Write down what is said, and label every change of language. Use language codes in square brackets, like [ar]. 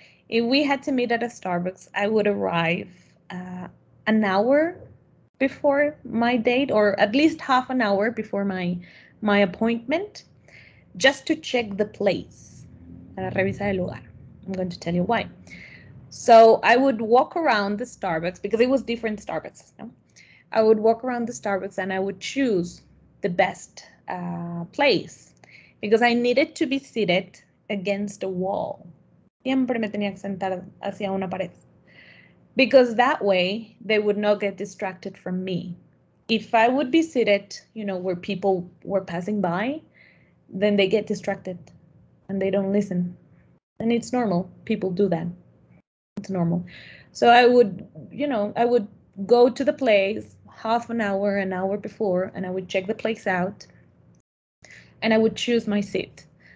[en] If we had to meet at a Starbucks, I would arrive an hour before my date, or at least half an hour before my appointment, just to check the place. [es] Para revisar el lugar. [en] I'm going to tell you why. So I would walk around the Starbucks, because it was different Starbucks. No? I would walk around the Starbucks and I would choose the best place because I needed to be seated against a wall. [es] Siempre me tenía que sentar hacia una pared. [en] Because that way they would not get distracted from me. If I would be seated, you know, where people were passing by, then they get distracted and they don't listen. And it's normal. People do that. It's normal. So I would, you know, I would go to the place half an hour before, and I would check the place out and I would choose my seat.